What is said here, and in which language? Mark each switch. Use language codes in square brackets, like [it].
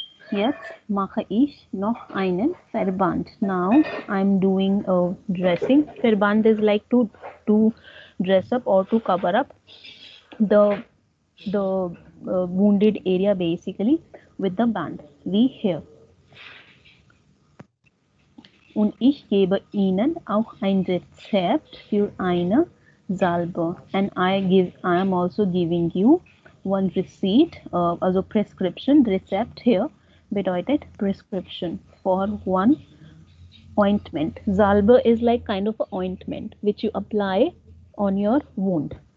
[de] Jetzt mache ich noch einen Verband. [en] Now I'm doing a dressing. Verband is like to dress up or to cover up the wounded area basically with the band. We here. [de] Und ich gebe Ihnen auch ein Rezept für eine Salbe. [en] And I am also giving you one receipt, also prescription. Recept here bedeutet prescription for one ointment. Salbe is like kind of a ointment which you apply on your wound.